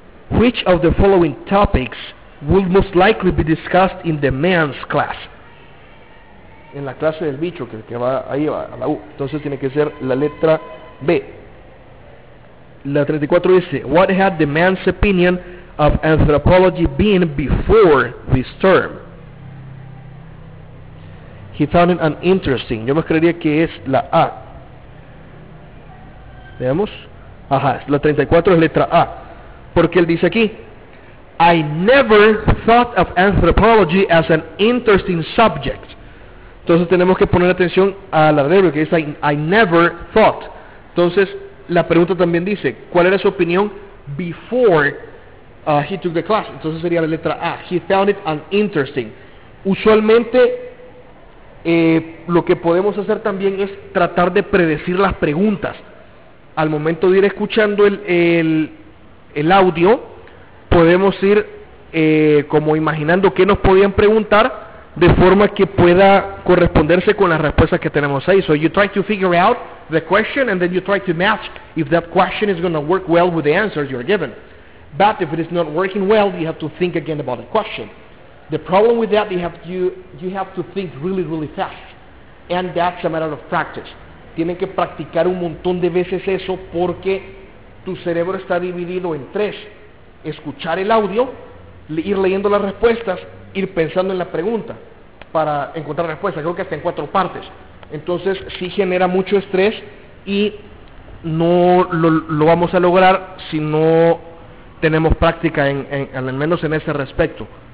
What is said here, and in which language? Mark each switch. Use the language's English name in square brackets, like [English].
[English] Which of the following topics will most likely be discussed in the man's class? [Spanish] En la clase del bicho que va ahí va, a la U. Entonces tiene que ser la letra B. La 34 dice, [English] what had the man's opinion of anthropology been before this term? He found it uninteresting. [Spanish] Yo me creería que es la A. ¿Veamos? Ajá, la 34 es letra A. Porque él dice aquí, [English] I never thought of anthropology as an interesting subject. [Spanish] Entonces tenemos que poner atención al adverbio que dice [English] I never thought. [Spanish] Entonces la pregunta también dice, ¿cuál era su opinión [English] before he took the class? [Spanish] Entonces sería la letra A. [English] He found it uninteresting. [Spanish] Usualmente lo que podemos hacer también es tratar de predecir las preguntas. Al momento de ir escuchando el audio, podemos ir como imaginando qué nos podían preguntar de forma que pueda corresponderse con las respuestas que tenemos ahí. [English] So you try to figure out the question and then you try to match if that question is going to work well with the answers you're given. But if it is not working well, you have to think again about the question. The problem with that, you have to think really, really fast. And that's a matter of practice. [Spanish] Tienen que practicar un montón de veces eso porque tu cerebro está dividido en tres. Escuchar el audio, ir leyendo las respuestas, ir pensando en la pregunta para encontrar respuesta. Creo que hasta en cuatro partes. Entonces, sí genera mucho estrés y no lo vamos a lograr si no tenemos práctica, al menos en ese respecto.